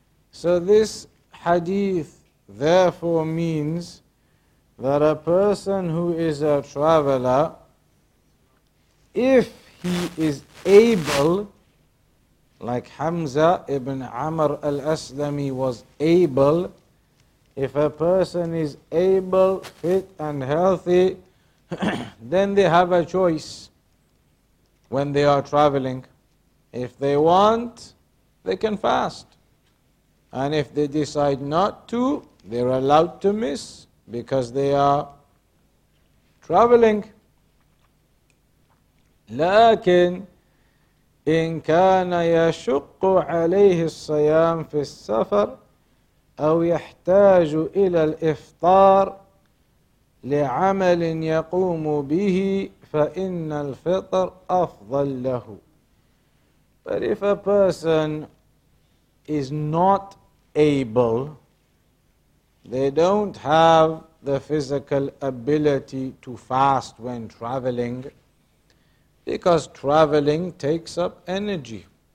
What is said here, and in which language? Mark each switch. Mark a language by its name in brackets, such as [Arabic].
[English] So this hadith therefore means that a person who is a traveler, if he is able, like Hamza ibn Amr al-Aslami was able, if a person is able, fit and healthy, then they have a choice. When they are traveling, if they want, they can fast. And if they decide not to, they're allowed to miss because they are traveling. [Arabic] لكن إن كان يشق عليه الصيام في السفر أو يحتاج إلى الإفطار لعمل يقوم به فَإِنَّ الْفِطْرَ أَفْضَلْ لَهُ. [English] But if a person is not able, they don't have the physical ability to fast when traveling, because traveling takes up energy.